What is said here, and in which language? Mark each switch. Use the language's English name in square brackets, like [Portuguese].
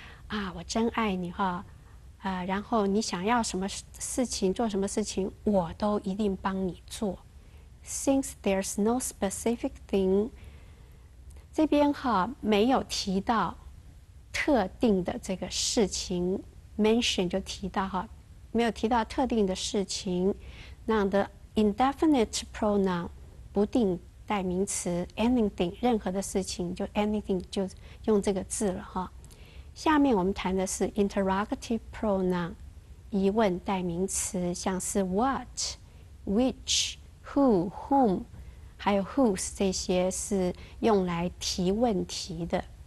[Chinese] 啊，我真爱你哈。然后你想要什么事情，做什么事情，我都一定帮你做。 [English] Since there's no specific thing, [Chinese] 这边哈没有提到特定的这个事情 ，mention 就提到哈，没有提到特定的事情。那 the indefinite pronoun 不定。代名词 anything 任何的事情就 anything 就用这个字了哈下面我们谈的是 interrogative pronoun 疑问代名词像是 what which who whom 还有 whose 这些是用来提问题的